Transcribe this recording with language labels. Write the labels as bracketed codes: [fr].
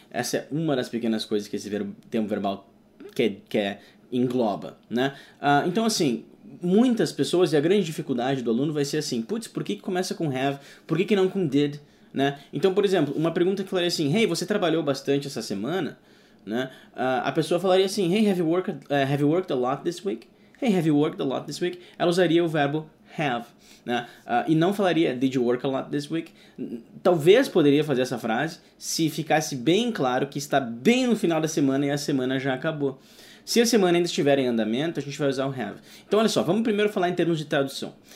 [pt] Essa é uma das pequenas coisas que esse tempo verbal que engloba, né? Então, assim, muitas pessoas, e a grande dificuldade do aluno vai ser assim, putz, por que começa com have? Por que não com did? Né? Então, por exemplo, uma pergunta que falaria assim, hey, você trabalhou bastante essa semana? Né? [en] A pessoa falaria assim, hey, have you worked a lot this week? Hey, have you worked a lot this week? [pt] Ela usaria o verbo have, né? E não falaria did you work a lot this week? Talvez poderia fazer essa frase se ficasse bem claro que está bem no final da semana e a semana já acabou. Se a semana ainda estiver em andamento, a gente vai usar o have. Então, olha só, vamos primeiro falar em termos de tradução.